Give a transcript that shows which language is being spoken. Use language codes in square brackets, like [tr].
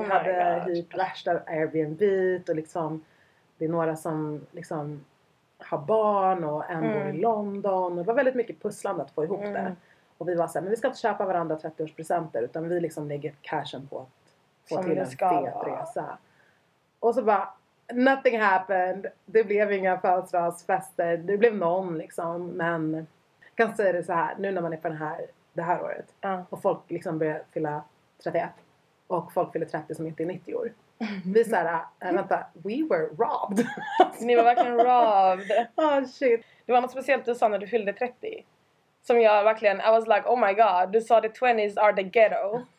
[en] my god. [sv] Vi hade hyrt värsta Airbnb och liksom, det är några som liksom har barn och en bor i London. Det var väldigt mycket pusslande att få ihop det. Och vi var såhär, men vi ska inte köpa varandra 30-årspresenter. Utan vi liksom lägger cashen på att få till en fet resa. [en] Och så bara, nothing happened. [sv] Det blev inga födelsedagsfester. Det blev någon liksom. Men jag kan säga det så här, nu när man är på det här året. Och folk liksom börjar fylla 31. Och folk fyller 30 som inte är 90 år. Vi såhär, vänta, [en] we were robbed. [sv] Ni var verkligen robbed. [en] Oh shit. [sv] Det var något speciellt du sa när du fyllde 30. Som jag verkligen, [en] I was like, oh my god, [sv] du sa att [en] 20s are the ghetto.